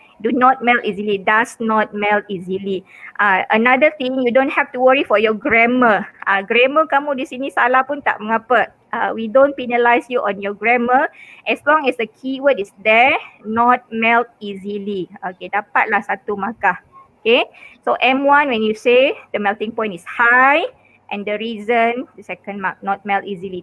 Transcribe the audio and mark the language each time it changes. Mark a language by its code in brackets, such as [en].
[en] Do not melt easily, does not melt easily. Another thing, you don't have to worry for your grammar. [ms] Grammar kamu di sini salah pun tak mengapa. [en] We don't penalize you on your grammar as long as the keyword is there, not melt easily. Okay, [ms] dapatlah satu markah. [en] Okay, so M1 when you say the melting point is high and the reason, the second mark, not melt easily.